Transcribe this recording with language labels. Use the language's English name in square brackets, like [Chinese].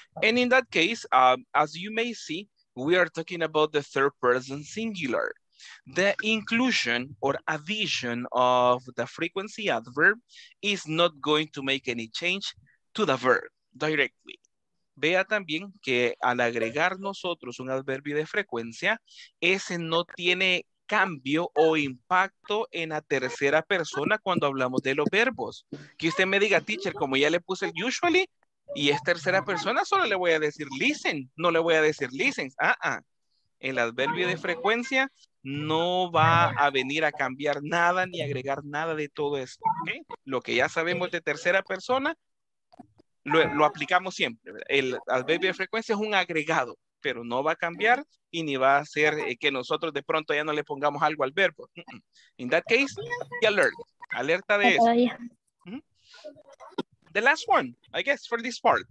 [English] And in that case, as you may see, we are talking about the third person singular. The inclusion or addition of the frequency adverb is not going to make any change to the verb directly. [Spanish] Vea también que al agregar nosotros un adverbio de frecuencia, ese no tiene cambio o impacto en la tercera persona cuando hablamos de los verbos. Que usted me diga, teacher, como ya le puse el usually y es tercera persona, solo le voy a decir listen, no le voy a decir listens. El adverbio de frecuencia no va a venir a cambiar nada ni agregar nada de todo eso. ¿Okay? Lo que ya sabemos de tercera persona, lo aplicamos siempre. El adverbio de frecuencia es un agregado, pero no va a cambiar y ni va a hacer que nosotros de pronto ya no le pongamos algo al verbo. [English] In that case, be alert. [Spanish] Alerta de eso. [English] The last one, I guess, for this part.